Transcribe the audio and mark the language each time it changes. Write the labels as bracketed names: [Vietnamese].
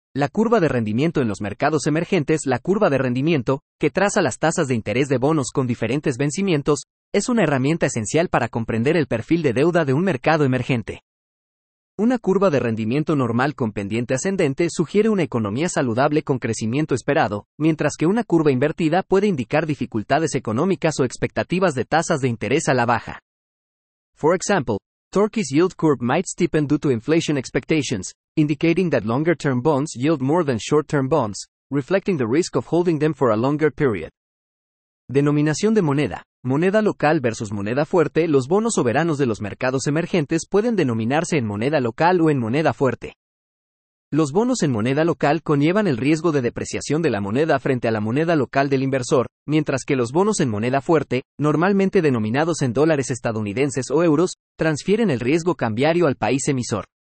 [Spanish] La curva de rendimiento en los mercados emergentes, la curva de rendimiento, que traza las tasas de interés de bonos con diferentes vencimientos, es una herramienta esencial para comprender el perfil de deuda de un mercado emergente. Una curva de rendimiento normal con pendiente ascendente sugiere una economía saludable con crecimiento esperado, mientras que una curva invertida puede indicar dificultades económicas o expectativas de tasas de interés a la baja. [English] For example, Turkey's yield curve might steepen due to inflation expectations, indicating that longer-term bonds yield more than short-term bonds, reflecting the risk of holding them for a longer period. [Spanish] Denominación de moneda. Moneda local versus moneda fuerte. Los bonos soberanos de los mercados emergentes pueden denominarse en moneda local o en moneda fuerte. Los bonos en moneda local conllevan el riesgo de depreciación de la moneda frente a la moneda local del inversor, mientras que los bonos en moneda fuerte, normalmente denominados en dólares estadounidenses o euros, transfieren el riesgo cambiario al país emisor.